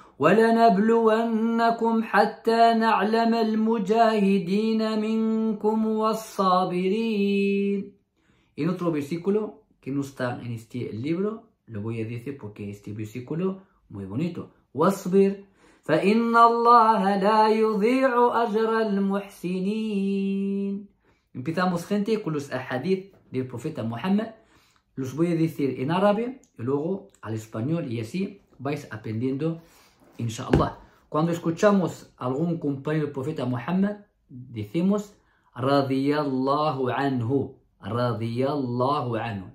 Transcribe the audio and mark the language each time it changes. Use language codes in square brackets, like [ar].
[ar] ولنبلونكم حتى نعلم المجاهدين منكم والصابرين. [es] En otro versículo que no está en este libro, lo voy a decir porque este versículo muy bonito. [ar] واصبر فإن الله لا يضيع أجر المحسنين. [es] Empezamos, gente, con los ahadith del profeta Muhammad. Los voy a decir en árabe y luego al español y así vais aprendiendo. Inshallah. Cuando escuchamos a algún compañero del profeta Muhammad, decimos radiyallahu anhu, radiyallahu anhu.